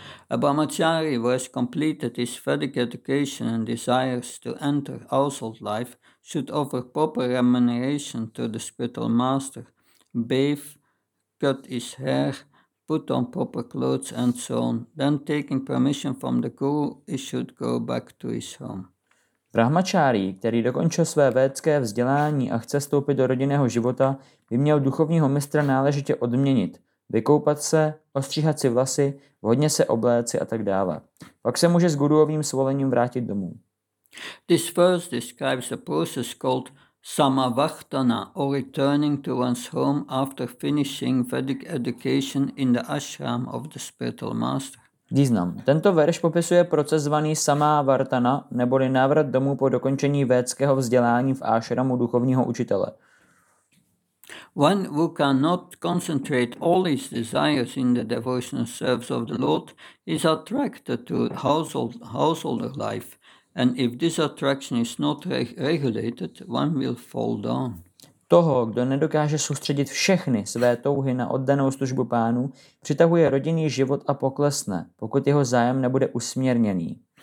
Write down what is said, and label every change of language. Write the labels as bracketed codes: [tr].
[en] A brahmachari who has completed his Vedic education and desires to enter household life should offer proper remuneration to the spiritual master, bathe, cut his hair, put on proper clothes and so on. Then taking permission from the guru, he should go back to his home. [cs] Brahmachari, který dokončil své védské vzdělání a chce vstoupit do rodinného života, by měl duchovního mistra náležitě odměnit. Vykoupat se, ostříhat si vlasy, vhodně se obléci a tak dále. Pak se může s guruovým svolením vrátit domů. [en] This verse describes a process called samavartana or returning to one's home after finishing Vedic education in the ashram of the spiritual master. [cs] Význam. Tento verš popisuje proces zvaný samavartana, neboli návrat domů po dokončení védského vzdělání v ashramu duchovního učitele. [en] When one cannot concentrate all his desires in the devotional service of the Lord, he is attracted to householder life. And if this attraction is not regulated, one will fall down. [cs] Toho, kdo nedokáže soustředit všechny své touhy na oddanou službu pánů, přitahuje rodinný život a poklesne, pokud jeho zájem nebude usměrněný.